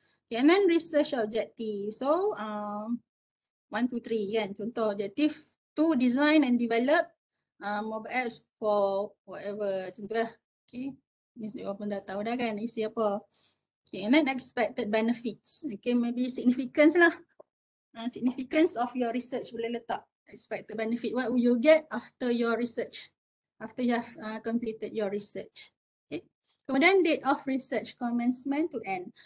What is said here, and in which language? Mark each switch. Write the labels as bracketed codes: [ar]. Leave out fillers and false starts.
[en] Okay, and then research objective. So 1, 2, 3 [ms] kan. Contoh [en] objective to design and develop mobile apps for whatever. [ms] Contohlah. Okay. Ni saya pun dah tahu dah kan isi apa. [en] Okay, and then expected benefits. Okay, maybe significance [ms] lah. [en] Significance of your research [ms] boleh letak. [en] Expected benefit. What will you get after your research? After you have completed your research. Okay. [ms] Kemudian [en] date of research commencement to end.